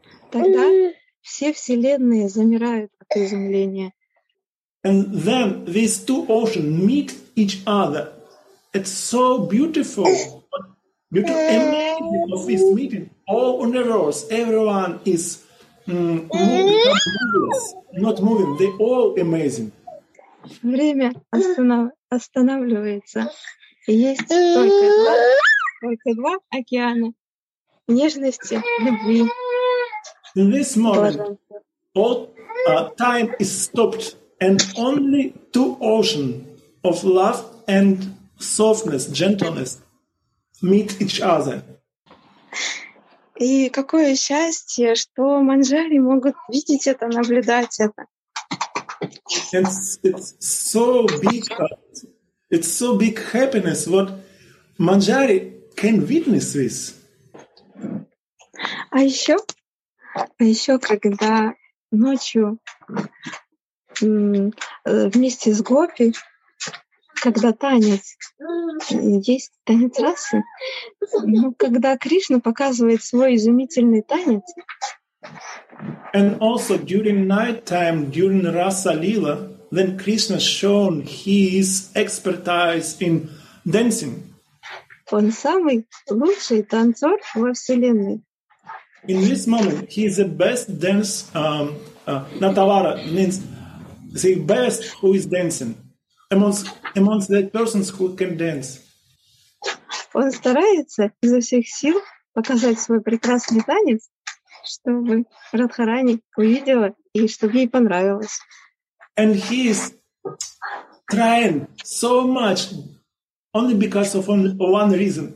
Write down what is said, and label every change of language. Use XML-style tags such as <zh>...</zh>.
<ru>Тогда все вселенные замирают от изумления.</ru> <en>And then these two oceans meet each other. It's so beautiful. Beautiful of this meeting. All universe, everyone is not moving. They all amazing.</en> <ru>Время останавливается. Есть только два океана нежности, любви.</ru> <en>In this moment, all time is stopped, and only two oceans of love and softness, gentleness meet each other.</en> <ru>И какое счастье, что манжари могут видеть это, наблюдать это.</ru> <en>And it's so big happiness what manjari can witness this.</en> <ru>А еще, когда ночью вместе с Гопи, когда танец, есть танец расы, но когда Кришна показывает свой изумительный танец.</ru> <en>And also during night time, during Rasa Lila, then Krishna shown his expertise in dancing.</en> <ru>Он самый лучший танцор во Вселенной.</ru> <en>In this moment, he is the best dance, Natavara means the best who is dancing, amongst the persons who can dance.</en> <ru>Он старается изо всех сил показать свой прекрасный танец, чтобы Радхарани увидела и чтобы ей понравилось.</ru> <en>And he is trying so much only because of one reason.</en>